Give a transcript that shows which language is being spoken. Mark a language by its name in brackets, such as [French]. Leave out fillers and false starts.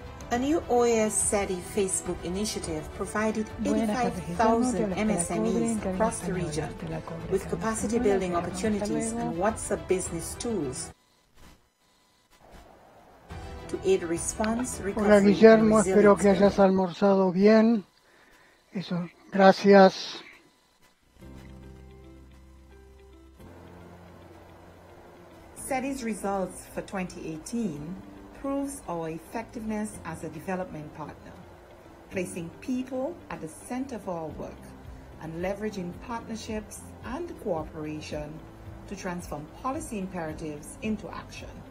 [English] A new OAS SETI Facebook initiative provided 85,000 MSMEs across the region with capacity building opportunities and WhatsApp business tools to aid response, recovery. [Spanish] Hola Guillermo, espero que hayas almorzado bien. Eso, gracias. [English] SETI's results for 2018 proves our effectiveness as a development partner, placing people at the center of our work and leveraging partnerships and cooperation to transform policy imperatives into action.